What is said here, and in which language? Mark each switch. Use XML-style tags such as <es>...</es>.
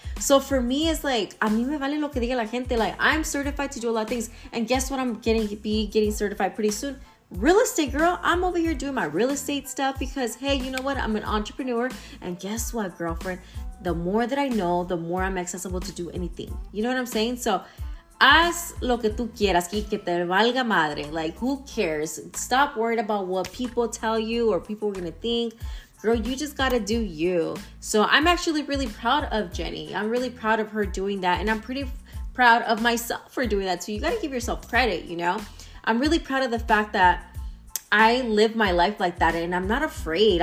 <en>So for me, it's like,</en> <es>a mí me vale lo que diga la gente.</es> <en>Like, I'm certified to do a lot of things. And guess what? I'm getting getting certified pretty soon. Real estate, girl. I'm over here doing my real estate stuff because, hey, you know what? I'm an entrepreneur. And guess what, girlfriend? The more that I know, the more I'm accessible to do anything. You know what I'm saying?</en> <es>So haz lo que tú quieras, que te valga madre.</es> <en>Like, who cares? Stop worried about what people tell you or people are gonna think. Girl, you just gotta do you. So I'm actually really proud of Jenny. I'm really proud of her doing that. And I'm pretty proud of myself for doing that too. You gotta give yourself credit, you know? I'm really proud of the fact that I live my life like that and I'm not afraid.</en>